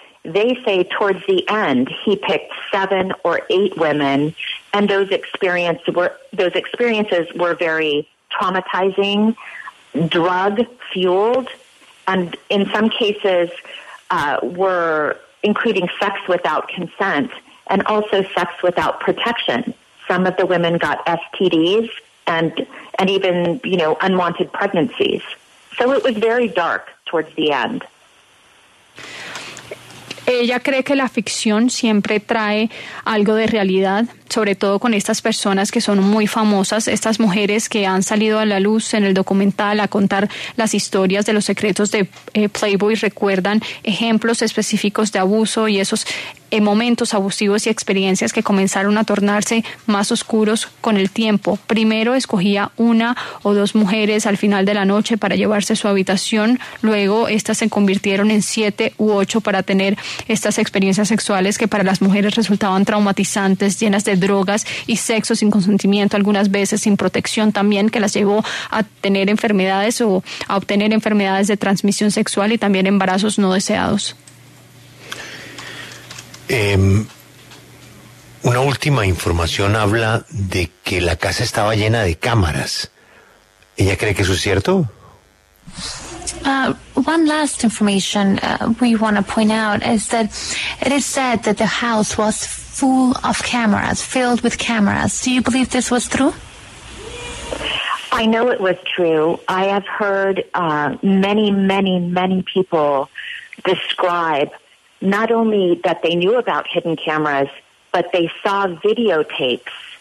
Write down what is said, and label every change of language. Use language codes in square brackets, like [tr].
[en] They say towards the end, he picked 7 or 8 women, and those experiences were very traumatizing, drug-fueled, and in some cases were including sex without consent and also sex without protection. Some of the women got STDs and even, you know, unwanted pregnancies. So it was very dark towards the end. [es] Ella cree que la ficción siempre trae algo de realidad, sobre todo con estas personas que son muy famosas, estas mujeres que han salido a la luz en el documental a contar las historias de los secretos de Playboy, recuerdan ejemplos específicos de abuso y esos momentos abusivos y experiencias que comenzaron a tornarse más oscuros con el tiempo. Primero escogía 1 o 2 mujeres al final de la noche para llevarse a su habitación, luego estas se convirtieron en 7 u 8 para tener estas experiencias sexuales que para las mujeres resultaban traumatizantes, llenas de drogas y sexo sin consentimiento, algunas veces sin protección también, que las llevó a tener enfermedades o a obtener enfermedades de transmisión sexual y también embarazos no deseados. Una última información habla de que la casa estaba llena de cámaras. ¿Ella cree que eso es cierto? [en] One last information we want to point out is that it is said that the house was full of cameras, filled with cameras. Do you believe this was true? I know it was true. I have heard many, many, many people describe not only that they knew about hidden cameras, but they saw videotapes.